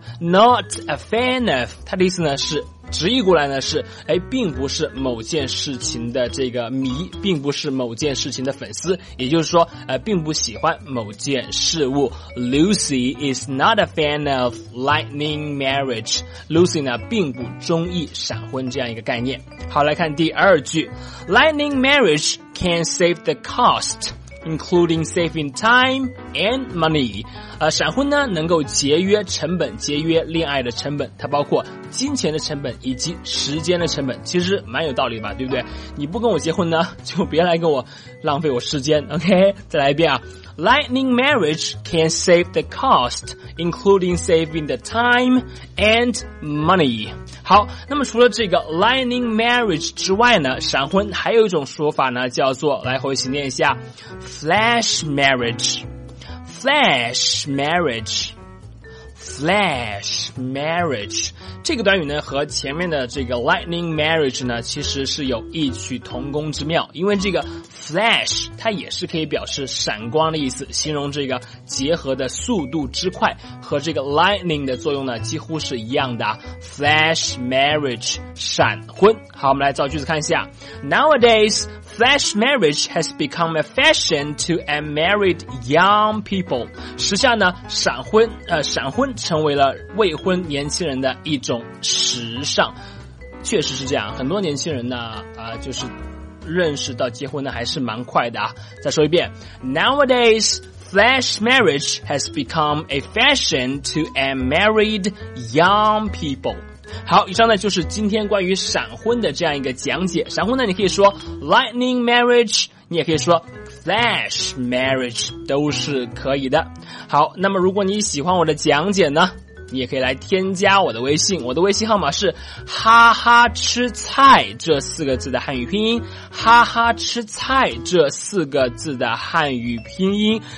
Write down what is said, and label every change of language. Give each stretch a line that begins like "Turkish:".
English: Not a fan of
Chinese: 它的意思呢是直译过来呢是并不是某件事情的这个迷，并不是某件事情的粉丝，也就是说并不喜欢某件事物。
English: Lucy is not a fan of lightning marriage。
Chinese: Lucy 呢并不中意闪婚这样一个概念。好，来看第二句。
English: Lightning marriage can save the cost including saving time and money。
Chinese: 闪婚呢能够节约成本，节约恋爱的成本，它包括金钱的成本以及时间的成本，其实蛮有道理吧，对不对？你不跟我结婚呢就别来跟我浪费我时间， OK。再来一遍啊，
English: Lightning marriage can save the cost including saving the time and money。
Chinese: 好，那么除了这个 Lightning marriage 之外呢，闪婚还有一种说法呢叫做，来回形念一下， Flash marriage。 Flash marriageFlash marriage 这个短语呢和前面的这个 lightning marriage 呢其实是有异曲同工之妙，因为这个 flash 它也是可以表示闪光的意思，形容这个结合的速度之快，和这个 lightning 的作用呢几乎是一样的。 flash marriage 闪婚。好，我们来造句子看一下。
English: Nowadays flash marriage has become a fashion to unmarried young people。
Chinese: 时下呢闪婚成为了未婚年轻人的一种时尚。确实是这样，很多年轻人呢就是认识到结婚呢还是蛮快的啊。再说一遍，
English: Nowadays flash marriage has become a fashion to unmarried young people。
Chinese: 好，以上呢就是今天关于闪婚的这样一个讲解。闪婚呢你可以说 lightning marriage， 你也可以说 flash marriage， 都是可以的。好，那么如果你喜欢我的讲解呢，你也可以来添加我的微信，我的微信号码是哈哈吃菜这四个字的汉语拼音，哈哈吃菜这四个字的汉语拼音。